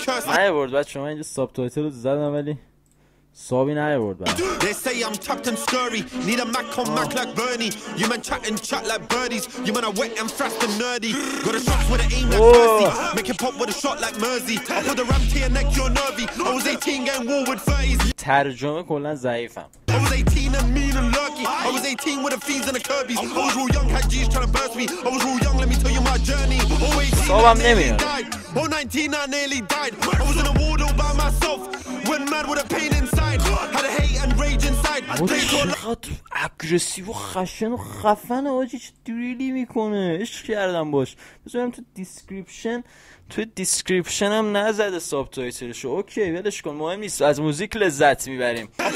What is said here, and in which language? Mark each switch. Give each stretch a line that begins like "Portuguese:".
Persian: نه برد بچه، من اینجا ساب تایتل رو زدم ولی صابی نه برد بچه.
English: They say I'm tapped and scurry. Need a Mac on Mac like Bernie. You man chatting chat like birdies. You man are wet and frost and nerdy. Got a shot with an aim like Percy. Make a pop with a shot like Mersey. I put the ram to your neck, you're nervy. I was 18 getting war with 30s.
Persian: ترجمه کلا ضعیفم.
English: I was 18 and mean and lurky. I was 18 with the fiends and the Kirby's. I was real young, had G's trying to burst me. I was real young, let me tell you my journey.
Persian: صابم نمیاد.
English: Oh, 19 I nearly died. I was in a ward all by myself. Went mad with a pain inside. Had a hate and rage inside.
Persian: چقدر اگرسیو و خشن و خفن آجی، چه دریلی میکنه. عشق کردم باش. بذارم تو دیسکریپشن، توی دیسکریپشن هم نزده ساب تایتلشو. اوکی ولش کن، مهم نیست، از موزیک لذت میبریم.